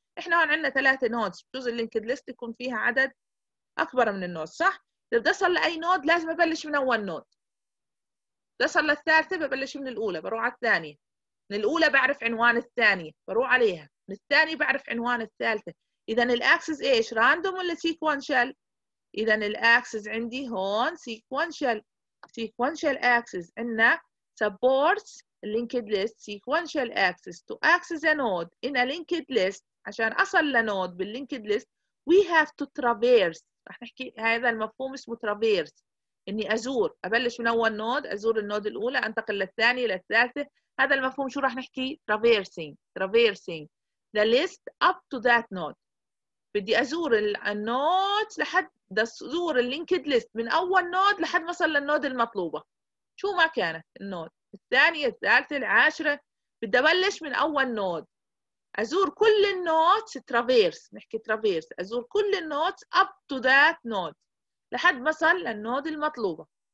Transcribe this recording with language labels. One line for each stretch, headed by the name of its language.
Arabic: إحنا هون عندنا ثلاثة نودز، جزء اللينكد ليست يكون فيها عدد أكبر من النود، صح؟ إذا بدي أصل لأي نود لازم أبلش من أول نود. بدي أصل للثالثة ببلش من الأولى، بروح على الثانية. من الأولى بعرف عنوان الثانية، بروح عليها. من الثانية بعرف عنوان الثالثة. إذا الأكسس إيش؟ راندوم ولا سيكونشال؟ إذا الأكسس عندي هون سيكونشال. سيكونشال أكسس عندنا
English: supports linked list sequential access to access a node in a linked list.
Arabic: عشان أصل لنود باللينكد ليست
English: we have to traverse.
Arabic: رح نحكي هذا المفهوم اسمه traverse، إني أزور، أبلش من أول نود، أزور النود الأولى، أنتقل للثانية للثالثة. هذا المفهوم شو رح نحكي؟ traversing.
English: traversing the list up to that node.
Arabic: بدي أزور النود لحد أزور اللينكد ليست من أول نود لحد ما أصل للنود المطلوبة، شو ما كانت النود، الثانية، الثالثة، العاشرة. بدي أبلش من أول نود، أزور كل النود ترافيرس، نحكي ترافيرس، أزور كل النود
English: up to that node
Arabic: لحد ما صل للنود المطلوبة.